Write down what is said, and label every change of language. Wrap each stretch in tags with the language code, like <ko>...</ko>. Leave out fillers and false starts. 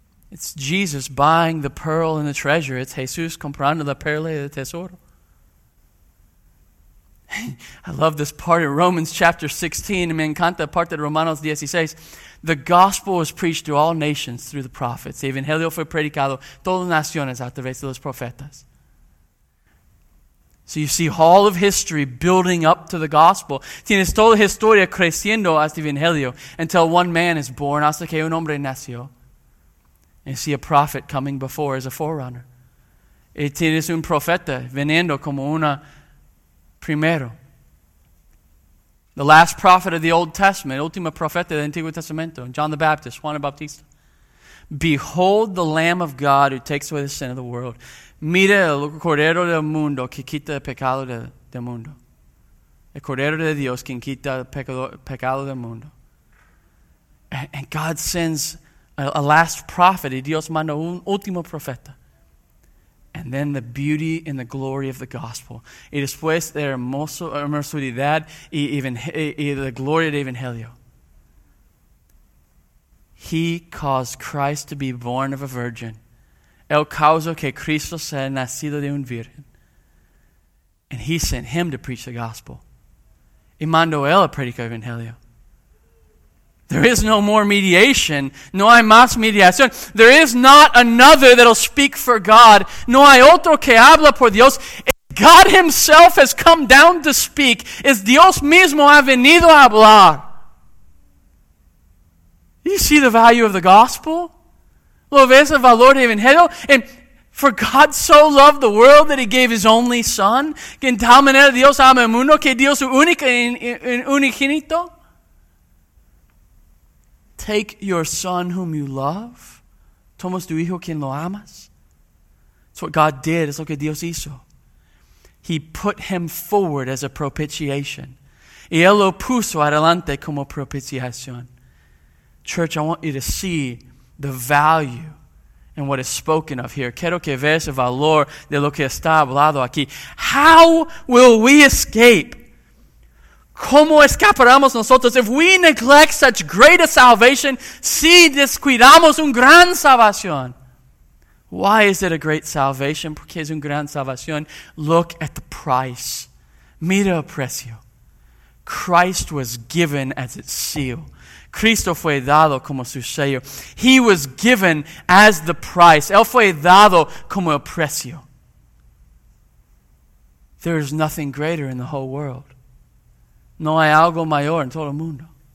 <en>It's Jesus buying the pearl and the treasure. It's Jesus</en> <es>comprando la perla y el tesoro.</es> <en>I love this part of Romans chapter 16.</en> <es>Me encanta la parte de Romanos 16.</es> <en>The gospel was preached to all nations through the prophets.</en> <es>El evangelio fue predicado todas las naciones a través de los profetas.</es> <en>So you see all of history building up to the gospel.</en> <es>Tienes toda la historia creciendo hasta el evangelio</es> <en>until one man is born,</en> <es>hasta que un hombre nació.</es> <en>And see a prophet coming before as a forerunner.</en> <es>Y tienes un profeta viniendo como una primero.</es> <en>The last prophet of the Old Testament,</en> <es>última profeta del Antiguo Testamento,</es> <en>John the Baptist,</en> <es>Juan el Bautista.</es> <en>Behold the Lamb of God who takes away the sin of the world.</en> <es>Mira el Cordero del Mundo que quita el pecado del mundo. El Cordero de Dios quien quita el pecado del mundo.</es> <en>And God sends a last prophet.</en> <es>Y Dios manda un último profeta.</es> <en>And then the beauty and the glory of the gospel.</en> <es>Y después la hermosuridad y la gloria del Evangelio.</es> <en>He caused Christ to be born of a virgin.</en> <es>El causó que Cristo sea nacido de un virgen.</es> <en>And he sent him to preach the gospel.</en> <es>Y mandó él a predicar el Evangelio.</es> <en>There is no more mediation.</en> <es>No hay más mediación.</es> <en>There is not another that'll speak for God.</en> <es>No hay otro que habla por Dios.</es> <en>God himself has come down to speak.</en> <es>Es Dios mismo ha venido a hablar.</es> <en>You see the value of the gospel?</en> <es>¿Lo ves el valor del Evangelio?</es> <en>And for God so loved the world that he gave his only son.</en> <es>Que en tal manera Dios ama el mundo que Dios su único en unigénito.</es> <en>Take your son whom you love.</en> <es>Tomas tu hijo quien lo amas.</es> <en>It's what God did. It's</en> <es>lo que Dios hizo.</es> <en>He put him forward as a propitiation.</en> <es>Y él lo puso adelante como propiciación.</es> <en>Church, I want you to see the value and what is spoken of here.</en> <es>Quiero que veas el valor de lo que está hablado aquí.</es> <en>How will we escape?</en> <es>¿Cómo escaparemos nosotros?</es> <en>If we neglect such great a salvation,</en> <es>si descuidamos un gran salvación.</es> <en>Why is it a great salvation?</en> <es>Porque es un gran salvación.</es> <en>Look at the price.</en> <es>Mira el precio.</es> <en>Christ was given as its seal.</en> <es>Cristo fue dado como su sello.</es> <en>He was given as the price.</en> <es>Él fue dado como el precio.</es> <en>There is nothing greater in the whole world.</en> <es>No hay algo mayor en todo el mundo.</es>